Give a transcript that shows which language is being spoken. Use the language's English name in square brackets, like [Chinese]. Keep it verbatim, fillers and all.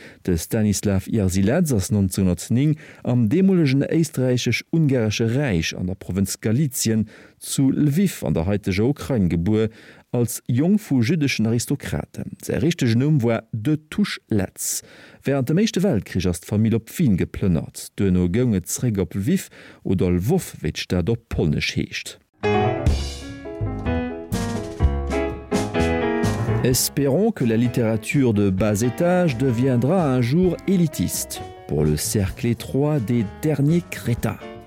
[Luxembourgish] De Stanisław Jerzy Lec ass neunzehnhundertneun am demolegen éistreichisch-ungarsche Reich an der Provinz Galizien zu Lviv an der heiteger Ukraine geboren als jung vu jüdischen Aristokraten. Se richtegen Numm war de Tusch Lec. Während dem Eischte Weltkrieg ass d'Famill op Wien geplënnert, dënno gënge d'Zréck op Lviv oder Lwow, wéi d'Stad op Polnesch heescht. [French] Espérons que la littérature de bas étage deviendra un jour élitiste, pour le cercle étroit des derniers crétins.